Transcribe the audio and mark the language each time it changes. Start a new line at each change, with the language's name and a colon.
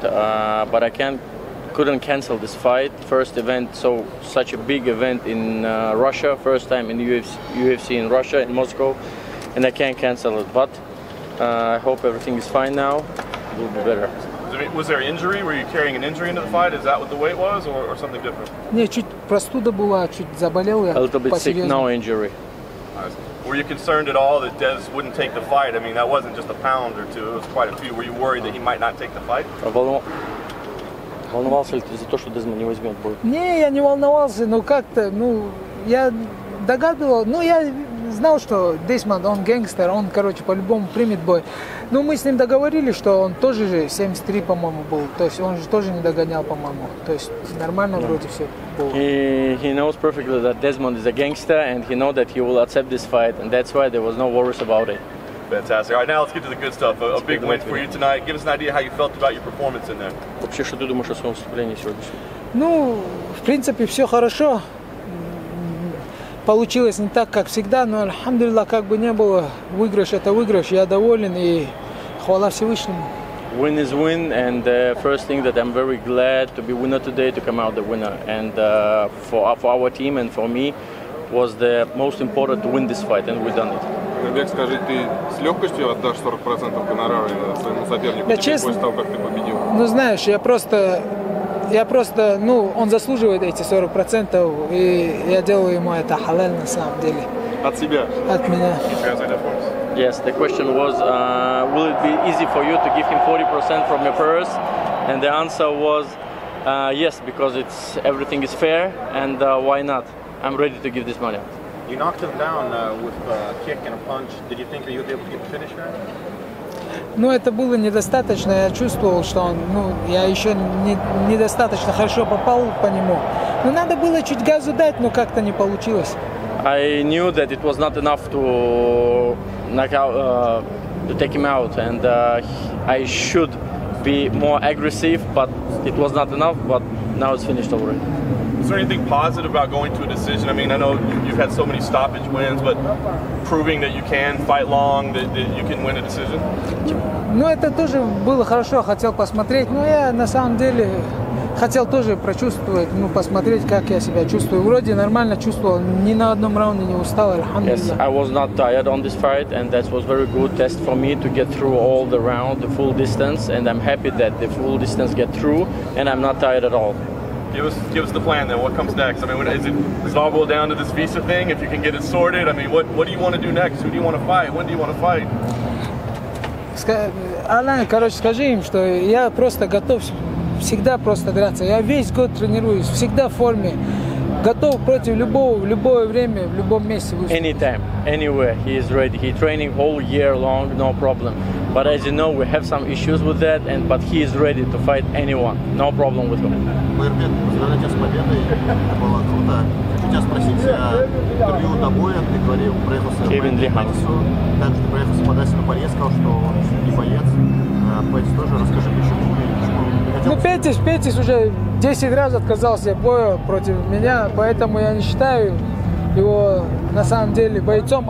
English: But I couldn't cancel this fight. First event, so such a big event in Russia. First time in UFC in Russia, in Moscow, and I can't cancel it. But I hope everything is fine now. It will be better. Was there an injury? Were you carrying an injury into the fight? Is that what the weight was, or something different?
Russian: Не, чуть простуда была, чуть заболел я.
English: A little bit sick, no injury. Were you concerned at all that Dez wouldn't take the fight? I mean, that wasn't just a pound or two, it was quite a few. Were you worried that he might not take the fight?
Russian: Волновался ли ты за то, что Дезма не возьмет бой? Не, я не волновался, но как-то, ну, я догадывал, ну, я знал, что Дезма, он гангстер, он, короче, по-любому примет бой. Ну, мы с ним договорились, что он тоже же 73, по-моему, был. То есть он же тоже не догонял, по-моему. То есть нормально вроде все было.
English: He knows perfectly that Desmond is a gangster, and he knows that he will accept this fight, and that's why there was no worries about it. Fantastic. All right, now let's get to the good stuff. A big win for you tonight. Give us an idea how you felt about your performance in there.
Russian: Вообще, что ты думаешь о своем выступлении сегодня? Ну, в принципе, все хорошо. Получилось не так, как всегда, но, альхамдулилла, как бы не было, выигрыш – это выигрыш, я доволен, и хвала Всевышнему.
English: Win is win, and first thing that I'm very glad to be winner today, to come out the winner. And for our team and for me, was the most important to win this fight, and we've done it.
Russian: Бег, скажи, ты с легкостью отдашь 40% гонорара своему сопернику? Да, честно. После того, как ты победил? Ну, знаешь, я просто, ну, он заслуживает эти 40%, и я делаю ему это халаль на самом деле. От себя? От меня.
English: Yes, the question was, will it be easy for you to give him 40% from your purse? And the answer was, yes, because it's everything is fair, and why not? I'm ready to give this money. You knocked him down with a kick and a punch. Did you think that you'd be able to get the finish there?
Russian: Ну, это было недостаточно. Я чувствовал, что он, ну, я еще недостаточно хорошо попал по нему. Но надо было чуть газу дать, но как-то не получилось.
English: I knew that it was not enough to knock out, to take him out, and I should be more aggressive, but it was not enough. But now it's finished already. Is there anything positive about going to a decision? I mean, I know you've had so many stoppage wins, but proving that you can fight long, that you can win a decision?
Russian: Ну, это тоже было хорошо, хотел посмотреть. Но я на самом деле хотел тоже прочувствовать, ну, посмотреть, как я себя чувствую. Вроде нормально чувствовал, ни на одном раунде не устал, альхамдулилла.
English: Yes, I was not tired on this fight, and that was very good test for me to get through all the round, the full distance, and I'm happy that the full distance get through, and I'm not tired at all. Give us the plan then. What comes next? I mean, does it all boil down to this visa thing? If you can get it sorted, I mean, what do you want to do next? Who do you want to fight? When do you want to fight?
Russian: Алан, короче, скажи им, что я просто готов всегда просто драться. Я весь год тренируюсь, всегда в форме. Готов против любого, в любое время, в любом месте.
English: Anytime, anywhere, he is ready. He training all year long, no problem. But as you know, we have some issues with that, but he is ready to fight anyone. No problem with him.
Russian: Мирбек, поздравляю тебя с победой. Это было круто. Хочу тебя спросить, я интервью тобой, а ты говорил, проехался в Майдзу. Также ты проехался по Дастину Порье, сказал, что он не боец. Петис тоже, расскажи, почему. Ну, Петис уже 10 раз отказался боя против меня, поэтому я не считаю его на самом деле бойцом.